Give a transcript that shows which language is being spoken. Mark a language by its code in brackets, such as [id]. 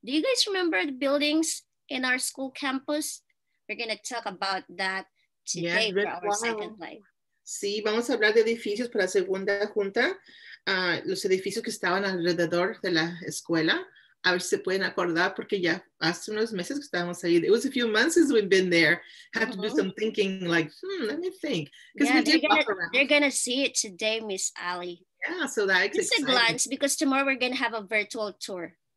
[en] Do you guys remember the buildings in our school campus? We're gonna talk about that today for our second live. [es] Sí, vamos a hablar de edificios para la segunda junta. Los edificios que estaban alrededor de la escuela. A ver si se pueden acordar, porque ya hace unos meses que estábamos ahí. [en] It was a few months since we've been there. Have to do some thinking, like, let me think. Yeah, they're going to see it today, Miss Ali. Yeah, so that's just exciting. Just a glance, because tomorrow we're going to have a virtual tour.